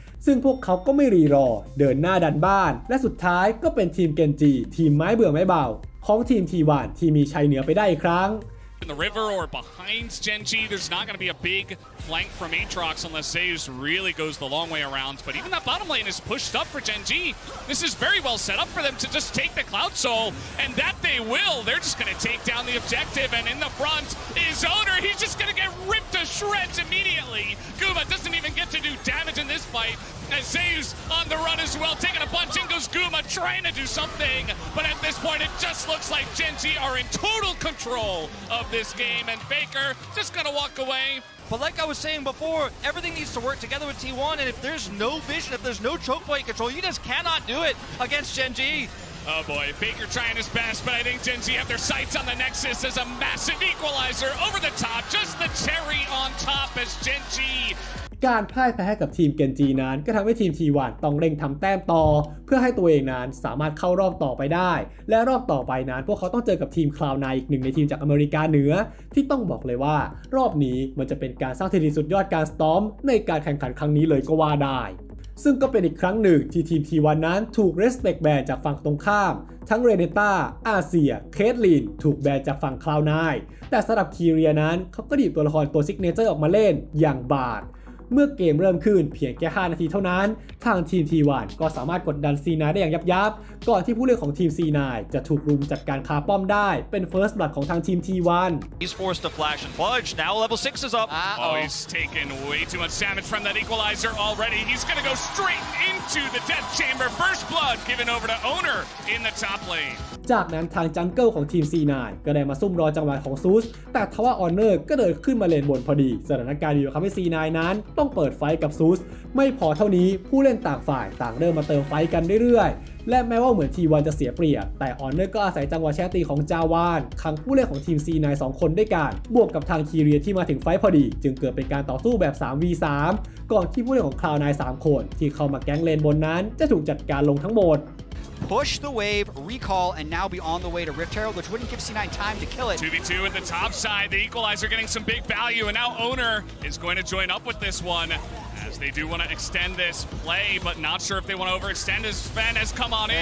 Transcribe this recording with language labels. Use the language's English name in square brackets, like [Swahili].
[Thai] ซึ่งพวกเขาก็ไม่รีรอเดินหน้าดันบ้านและสุดท้ายก็เป็นทีมเกนจิทีมไม้เบื่อไม้เบาของทีมทีวันที่มีชัยเหนือไปได้อีกครั้ง [English] In the river or behind Genji, there's not going to be a big flank from Aatrox unless Zeus really goes the long way around. But even that bottom lane is pushed up for Genji. This is very well set up for them to just take the Cloud Soul, and that they will. They're just going to take down the objective, and in the front is Owner. He's just going to get ripped to shreds immediately. Guma doesn't even get to do damage in this fight. As Zeus on the run as well, taking a bunch. In goes Guma trying to do something. But at this point, it just looks like Genji are in total control of this game and Faker just gonna walk away. But like I was saying before, everything needs to work together with T1. And if there's no vision, if there's no choke point control, you just cannot do it against Gen G. Oh boy, Faker trying his best, but I think Gen G have their sights on the Nexus as a massive equalizer over the top, just the cherry on top as Gen G. [Thai] การพ่ายแพ้ให้กับทีมเกนจีนั้นก็ทำให้ทีมทีวันต้องเร่งทำแต้มต่อเพื่อให้ตัวเองนั้นสามารถเข้ารอบต่อไปได้และรอบต่อไปนั้นพวกเขาต้องเจอกับทีมคลาวไนน์อีกหนึ่งในทีมจากอเมริกาเหนือที่ต้องบอกเลยว่ารอบนี้มันจะเป็นการสร้างสถิติสุดยอดการสตอมในการแข่งขันครั้งนี้เลยก็ว่าได้ ซึ่งก็เป็นอีกครั้งหนึ่งที่ทีมทีวันนั้นถูกเรสเปคแบนจากฝั่งตรงข้ามทั้งเรเนต้าอาเซียเคทลินถูกแบนจากฝั่งคลาวไนน์แต่สำหรับคีเรียนั้นเขาก็หยิบตัวละครตัวซิกเนเจอร์ออกมาเล่นอย่างบาดเมื่อเกมเริ่มขึ้นเพียงแค่5นาทีเท่านั้นทางทีม T1 ก็สามารถกดดัน C9 ได้อย่างยับๆก่อนที่ผู้เล่นของทีม C9 จะถูกรุมจัดการคาป้อมได้เป็น First Blood ของทางทีม T1 [English] He's forced to flash and fudge Now level 6 is up Oh he's taken way too much damage from that equalizer already He's gonna go straight into the death chamber First Blood given over to Owner in the top lane [Thai] จากนั้นทางจังเกิลของทีม C9 ก็ได้มาซุ่มรอจังหวะของซูสแต่ทว่าออนเนอร์ก็เดินขึ้นมาเลนบนพอดีสถานการณ์อยู่ทำให้ C9 นั้นต้องเปิดไฟกับซูสไม่พอเท่านี้ผู้เล่นต่างฝ่ายต่างเริ่มมาเติมไฟกันเรื่อยๆและแม้ว่าเหมือนทีวันจะเสียเปรียบแต่ออนเนอร์ก็อาศัยจังหวะแชตีของจาวานขังผู้เล่นของทีม C9 2คนด้วยกันบวกกับทางคีเรียที่มาถึงไฟพอดีจึงเกิดเป็นการต่อสู้แบบ 3v3 ก่อนที่ผู้เล่นของคลาวไนน์3คนที่เข้ามาแก๊งเลนบนนั้นจะถูกจัดการลงทั้งหมด [English] Push the wave, recall, and now be on the way to Rift Herald, which wouldn't give C9 time to kill it. 2v2 at the top side, the equalizer getting some big value, and now Owner is going to join up with this one, as they do want to extend this play, but not sure if they want to overextend as Sven has come on in.